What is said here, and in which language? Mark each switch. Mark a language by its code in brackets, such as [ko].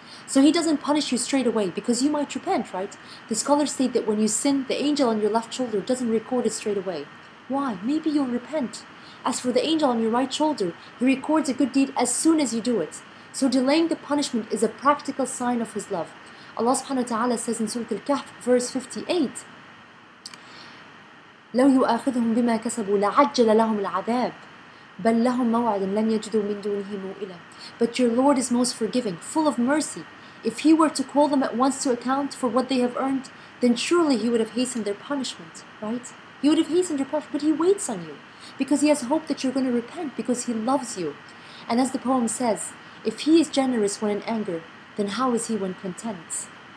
[en] So he doesn't punish you straight away because you might repent, right? The scholars state that when you sin, the angel on your left shoulder doesn't record it straight away. Why? Maybe you'll repent. As for the angel on your right shoulder, he records a good deed as soon as you do it. So delaying the punishment is a practical sign of his love. Allah subhanahu wa ta'ala says in Surah Al-Kahf, verse 58, [ar] لَوْ يُؤَخِذُهُمْ بِمَا كَسَبُوا لَعَجَّلَ لَهُمْ الْعَذَابِ بَلْ لَهُمْ مَوْعَدًا لَنْ يَجِدُوا مِنْ دُونِهِ مَوْئِلًا. [en] But your Lord is most forgiving, full of mercy. If he were to call them at once to account for what they have earned, then surely he would have hastened their punishment, right? He would have hastened your punishment, but he waits on you. Because he has hope that you're going to repent, because he loves you. And as the poem says, if he is generous when in anger, then how is he when content?